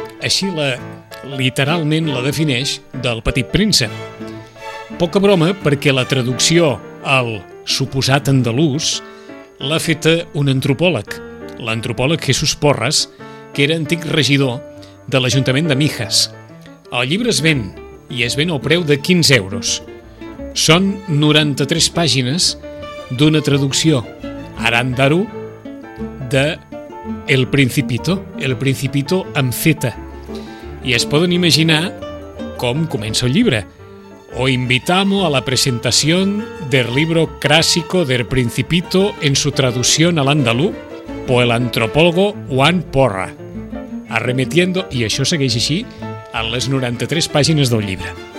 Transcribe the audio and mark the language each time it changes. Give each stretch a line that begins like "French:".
Catalan: Així literalment la defineix del Petit Príncep. Poca broma, perquè la traducció al suposat andalús l'ha feta un antropòleg, l'antropòleg Jesús Porras, que era antic regidor de l'Ajuntament de Mijas. El llibre es ven, i es ven al preu de 15 euros. Són 93 pàgines d'una traducció arándaro de El Principito, El Principito amb zeta. I es poden imaginar com comença el llibre.
Spanish: O invitamo a la presentación del libro clásico del Principito en su traducción al andalú por el antropólogo Juan Porra, arremetiendo,
Catalan: y això segueix així, a les 93 pàgines del llibre.